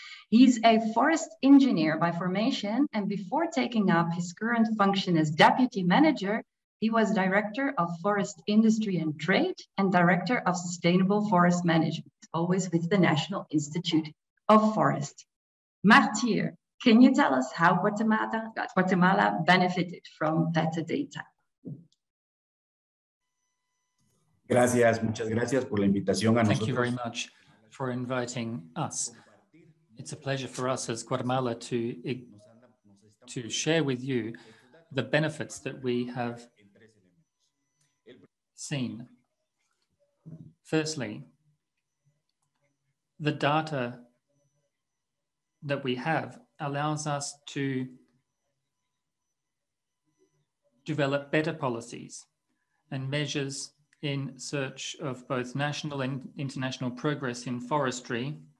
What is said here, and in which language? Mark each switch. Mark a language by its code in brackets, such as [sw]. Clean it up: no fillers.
[en] He's a forest engineer by formation, and before taking up his current function as deputy manager, he was director of forest industry and trade and director of sustainable forest management, always with the National Institute of Forest. Martir, can you tell us how Guatemala benefited from better data? [es] Gracias, muchas gracias por la invitación a nosotros. [en] Thank you very much for inviting us. It's a pleasure for us as Guatemala to to share with you the benefits that we have seen. Firstly, the data that we have allows us to develop better policies and measures in search of both national and international progress in forestry.